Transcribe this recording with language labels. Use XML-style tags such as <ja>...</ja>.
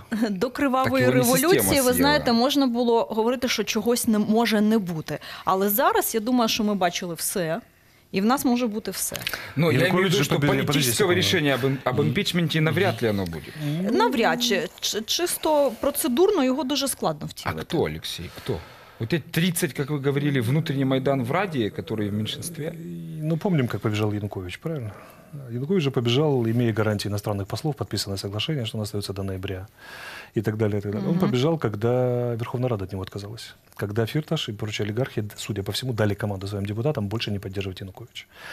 <uk>До кривавої революції, ви знаєте, можна було говорити, що чогось не може не бути. Але зараз, я думаю, що ми бачили все.</uk> <ru>И в нас может быть и все. Ну, я имею в виду, что политического решения об импичменте навряд ли оно будет. Навряд ли.</ru> <uk>Чисто процедурно его дуже складно втілити.</uk> <ru>А кто, Алексей, кто? Вот эти 30, как вы говорили, внутренний Майдан в Раде, который в меньшинстве? Ну, помним, как побежал Янукович, правильно? Янукович же побежал, имея гарантии иностранных послов, подписанное соглашение, что он остается до ноября и так далее. И так далее. Угу. Он побежал, когда Верховная Рада от него отказалась. Когда Фирташ и прочие олигархи, судя по всему, дали команду своим депутатам больше не поддерживать Януковича.</ru>